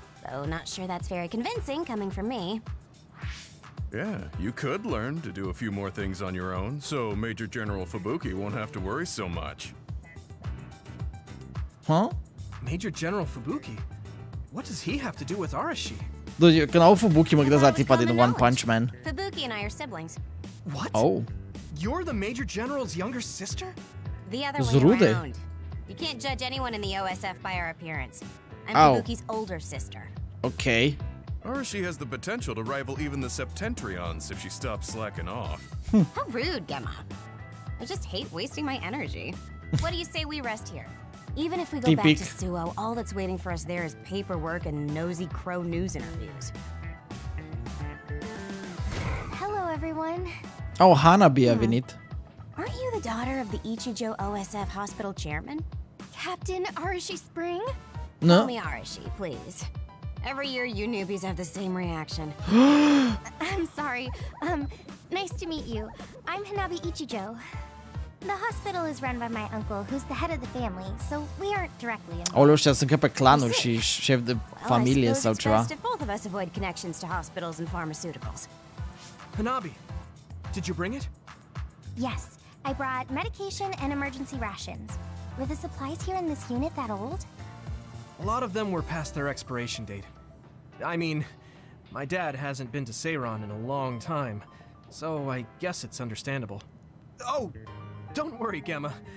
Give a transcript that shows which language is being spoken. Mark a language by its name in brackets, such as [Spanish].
[English] Though not sure that's very convincing coming from me. Yeah, you could learn to do a few more things on your own, so Major General Fubuki won't have to worry so much. Huh? Major General Fubuki? What does he have to do with Arashi? [Romanian] Dude, când au Fubuki, mă gândesc la tipa din One Punch Man. [English] Fubuki and I are siblings. What? Oh. You're the Major General's younger sister? The other way around. You can't judge anyone in the OSF by our appearance. I'm Fubuki's older sister. Okay. Arashi has the potential to rival even the Septentrions if she stops slacking off. How rude, Gemma. I just hate wasting my energy. What do you say we rest here? Even if we go back to Suo, all that's waiting for us there is paperwork and nosy crow news interviews. Hello, everyone. [Romanian] Oh, Hanabi, a venit. [English] Aren't you the daughter of the Ichijo OSF hospital chairman? Captain Arashi Spring? No. Call me Arashi, please. Every year, you newbies have the same reaction. I'm sorry. Nice to meet you. I'm Hanabi Ichijo. The hospital is run by my uncle, who's the head of the family, so we aren't directly involved. [Romanian] Sunt pe clanul și șef de familie sau ceva. [English] Both of us avoid connections to hospitals and pharmaceuticals. Hanabi, did you bring it? Yes, I brought medication and emergency rations. Were the supplies here in this unit that old? A lot of them were past their expiration date. I mean, my dad hasn't been to Ceyron in a long time, so I guess it's understandable. Oh! Don't worry, Gemma.